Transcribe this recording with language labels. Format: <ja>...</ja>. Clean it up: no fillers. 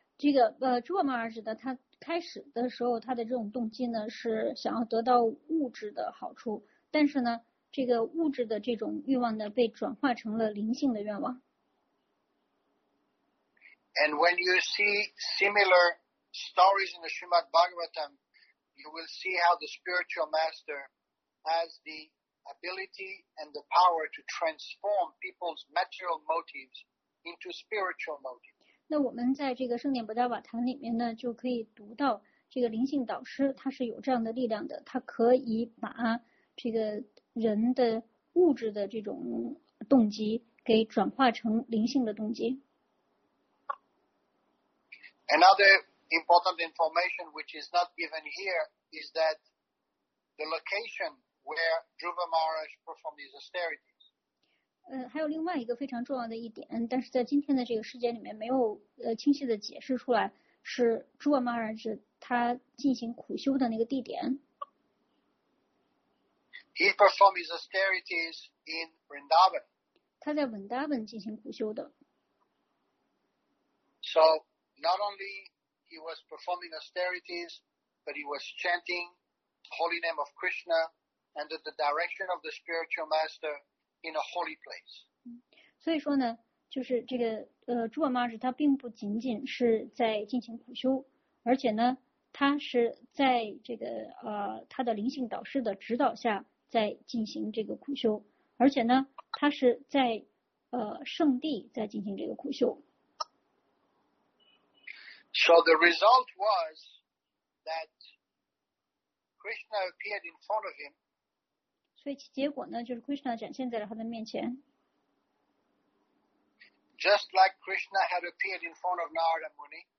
<zh>这个朱瓦马尔指的他开始的时候他的这种动机呢是想要得到物质的好处，但是呢这个物质的这种欲望呢被转化成了灵性的愿望。</zh> <en>And when you see similar stories in the Srimad Bhagavatam, you will see how the spiritual master has the ability and the power to transform people's material motives into spiritual motives.</en> <zh>那我们在这个圣典伯达瓦坛里面呢就可以读到这个灵性导师他是有这样的力量的，他可以把这个人的物质的这种动机给转化成灵性的动机。</zh> <en>Another important information which is not given here is that the location where Dhruva Maharaj performed his austerity haveyou</en> <zh>另外一个非常重要的一点，但是在今天的这个世界里面没有清晰的解释出来，是朱瓦马尔指他进行苦修的那个地点。</zh> <en>He performed his austerities in Vrindavan.</en> <zh>他在文达本进行苦修的。</zh> <en>So, not only he was performing austerities, but he was chanting the holy name of Krishna under the direction of the spiritual master. In a holy place.</en> <zh>所以说呢，就是这个朱瓦玛什他并不仅仅是在进行苦修，而且呢，他是在这个他的灵性导师的指导下在进行这个苦修，而且呢，他是在圣地在进行这个苦修。</zh> <en>So the result was that Krishna appeared in front of him.</en> <zh>所以结果呢，就是 Krishna 展现在了他的面前。</zh> <en>Just like Krishna had appeared in front of Narada Muni.</en>